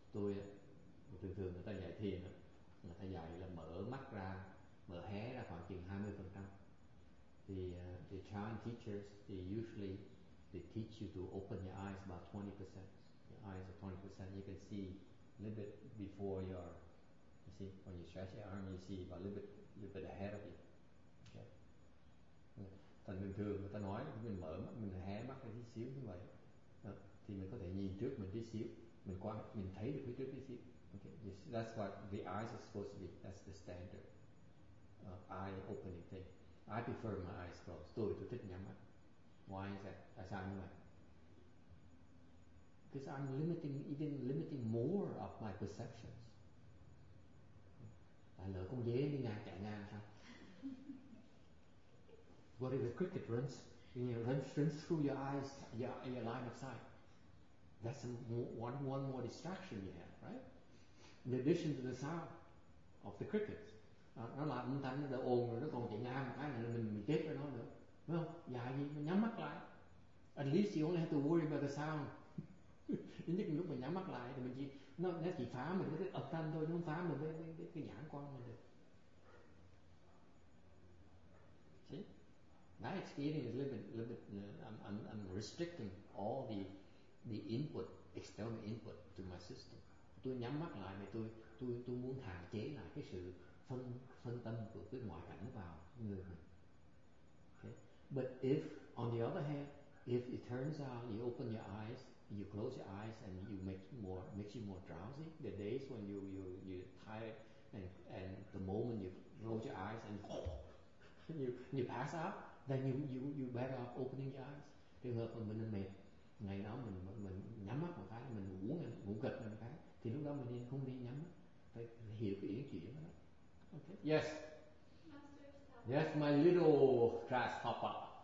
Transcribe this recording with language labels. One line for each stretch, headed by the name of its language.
Vietnamese: Tôi, thường thường người ta dạy thiền, người ta dạy là mở mắt ra, mở hé ra khoảng chừng 20%.
English: The Chan teachers, they usually teach you to open your eyes about 20%. Your eyes are 20%. You can see a little bit before your, you see, when you stretch your arm, you see about a little bit ahead of you. Okay.
Vietnamese: Thành bình thường người ta nói mình mở mắt, mình hé mắt ra tí xíu như vậy, thì mình có thể nhìn trước mình tí xíu, mình thấy được phía trước tí xíu.
English: Okay. Yes. That's what the eyes are supposed to be. That's the standard eye opening thing. I prefer my eyes closed.
Vietnamese: Tôi thích nhắm mắt.
English: Why is that?
Vietnamese: Tại sao như vậy?
English: Because I'm limiting more of my perceptions.
Vietnamese: Lỡ con dế đi ngang chạy ngang sao?
English: What if a cricket runs? You know, runs through your eyes, your line of sight. That's one more distraction you have, right? In addition to the sound of the cricket,
Vietnamese: nó làm âm thanh nó đỡ ồn rồi nó còn chạy ngang một cái là mình chết rồi nó nữa, đúng không? Dài gì? Mình nhắm mắt lại.
English: At least you only have to worry about the sound.
Vietnamese: Đến nhất lúc mình nhắm mắt lại thì mình chỉ nó chỉ phá mình cái ập thanh thôi, nó không phá mình với cái nhãn quan mình được.
English: See, my experience is a little bit I'm restricting all the input, external input to my system.
Vietnamese: Tôi nhắm mắt lại thì tôi muốn hạn chế lại cái sự phân tâm của cái ngoại cảnh vào người mình.
English: Okay. But if on the other hand, if it turns out you open your eyes you close your eyes and you make more, makes you more drowsy. The days when you tired and the moment you close your eyes and you pass out, then you better off opening your eyes.
Vietnamese: Trường hợp mà mình mệt, ngày đó mình nhắm mắt một cái, mình ngủ ngủ gật một cái, thì lúc đó mình không đi nhắm mắt, phải hiểu cái ý chuyện đó.
English: Okay. Yes. Yes, my little grasshopper.